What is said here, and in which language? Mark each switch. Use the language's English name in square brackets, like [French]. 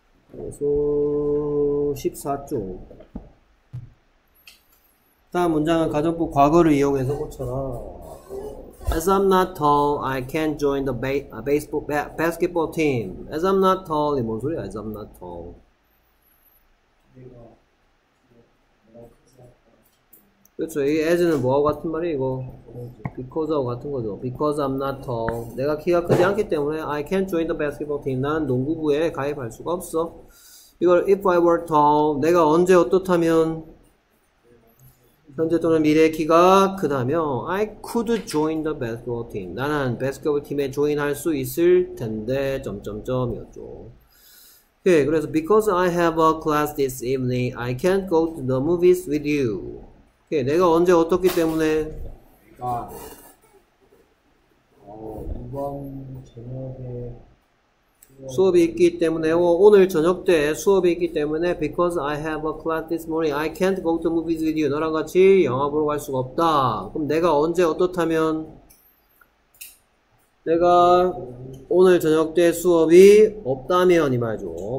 [Korean] 그래서 14쪽 다음 문장은 가정법 과거를 이용해서 고쳐라. [English] As I'm not tall, I can't join the basketball team. As I'm not tall, [Korean] 뭔 소리야? [English] As I'm not tall. [Korean] 그렇죠. 이 as는 뭐하고 같은 말이야 이거? [English] Because하고 같은 거죠. Because I'm not tall. [Korean] 내가 키가 크지 않기 때문에 [English] I can't join the basketball team. [Korean] 나는 농구부에 가입할 수가 없어. [English] 이걸 if I were tall, [Korean] 내가 언제 어떻다면 현재 또는 미래의 키가 크다면 [English] I could join the basketball team. [Korean] 나는 basketball 팀에 조인할 수 있을 텐데 점점점이었죠. 오케이, 그래서 [English] because I have a class this evening, I can't go to the movies with you. [Korean] 오케이, 내가 언제 어떻기 때문에 그러니까 이번 저녁에 수업이 있기 때문에 오늘 저녁 때 수업이 있기 때문에 [English] because I have a class this morning I can't go to movies with you. [Korean] 너랑 같이 영화 보러 갈 수가 없다. 그럼 내가 언제 어떻다면 내가 오늘 저녁 때 수업이 없다면 이 말이죠.